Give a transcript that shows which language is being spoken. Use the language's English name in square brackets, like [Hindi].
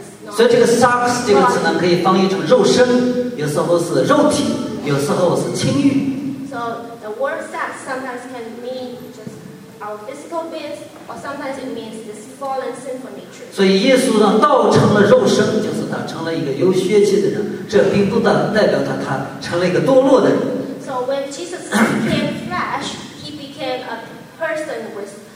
[Chinese] 所以这个 sucks 这个词呢，可以翻译成肉身，有时候是肉体，有时候是情欲。 [English] So the word sucks sometimes can mean just our physical beings, or sometimes it means this fallen sinful nature. [Chinese] 所以耶稣让道成了肉身，就是他成了一个有血气的人，这并不代表他成了一个堕落的人。 [English] So when Jesus became flesh, he became a person with.